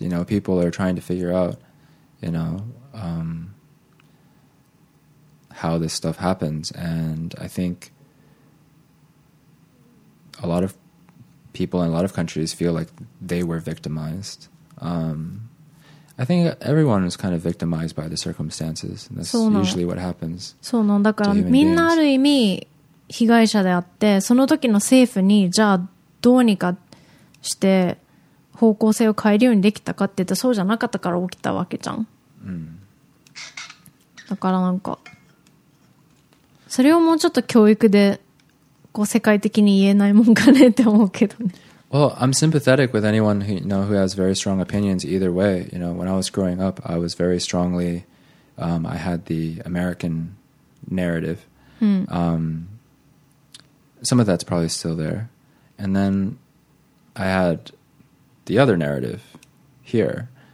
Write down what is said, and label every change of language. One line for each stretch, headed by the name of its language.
English: You know, people are trying to figure out, you know, how this stuff happens. And I think a lot of people in a lot of countries feel like they were victimized. I think everyone is kind of victimized by the circumstances. That's usually what happens.
Japanese: そうなんだから、みんなある意味被害者であって、その時の政府にじゃあどうにかして方向性を変えるようにできたかって言ったら、そうじゃなかったから起きたわけじゃん。うん。だからなんかそれをもうちょっと教育でこう世界的に言えないもんかねって思うけどね。
English: Well, I'm sympathetic with anyone who, you know, who has very strong opinions either way. You know, when I was growing up, I was very strongly, I had the American narrative. Some of that's probably still there. And then I had the other narrative here.